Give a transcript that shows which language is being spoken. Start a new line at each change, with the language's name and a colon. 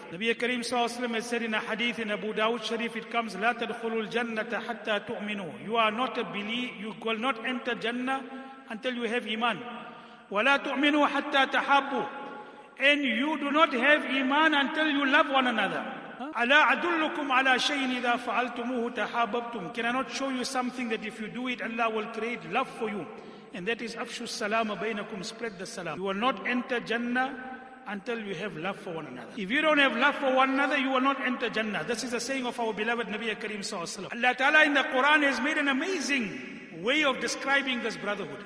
English: Nabi Kareem sallallahu alayhi wa sallam has said in a hadith in Abu Dawud Sharif, it comes,
Arabic: لا تدخلوا الجنة حتى تؤمنوا.
English: You are not a believer. You will not enter Jannah until you have iman.
Arabic: ولا تؤمنوا حتى تحبوا.
English: And you do not have iman until you love one another.
Arabic: ألا أدلكم على شيء إذا فعلتموه تحاببتم.
English: Can I not show you something that if you do it, Allah will create love for you? And that is
Arabic: أفشو السلام بينكم,
English: spread the salam. You will not enter Jannah until you have love for one another. If you don't have love for one another, you will not enter Jannah. This is the saying of our beloved Nabi Kareem sallallahu alaihi wasallam. Allah Ta'ala in the Quran has made an amazing way of describing this brotherhood.